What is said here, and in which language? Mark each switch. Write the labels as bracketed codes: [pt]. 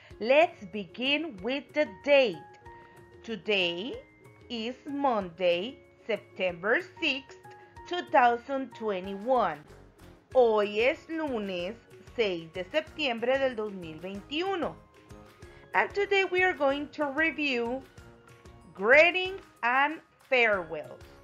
[en] Let's begin with the date. Today is Monday, September 6th, 2021. [es] Hoy es lunes 6 de septiembre del 2021. [en] And today we are going to review greetings and farewells.